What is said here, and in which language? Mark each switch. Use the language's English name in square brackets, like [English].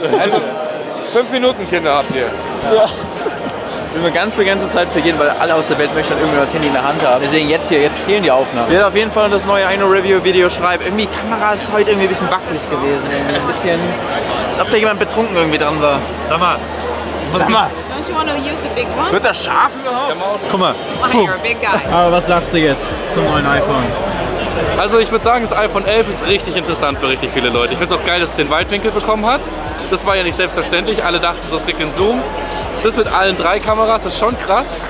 [German] Also 5 Minuten Kinder habt ihr. Ja. Wir haben ganz begrenzte Zeit für jeden, weil alle aus der Welt möchten dann irgendwie das Handy in der Hand haben. Deswegen jetzt hier, jetzt zählen die Aufnahmen. Wir werden auf jeden Fall das neue iNo-Review-Video schreiben. Irgendwie, Kamera ist heute irgendwie ein bisschen wackelig gewesen. Ein bisschen, als ob da jemand betrunken irgendwie dran war. Sag mal. [English] Don't you want to use the big one? [German] Wird das scharf überhaupt? Guck mal. [English] Oh, you're a big guy. [German] Aber was sagst du jetzt zum neuen iPhone? Also ich würde sagen, das iPhone 11 ist richtig interessant für richtig viele Leute. Ich finde es auch geil, dass es den Weitwinkel bekommen hat. Das war ja nicht selbstverständlich. Alle dachten, das kriegt den Zoom. Das mit allen 3 Kameras ist schon krass.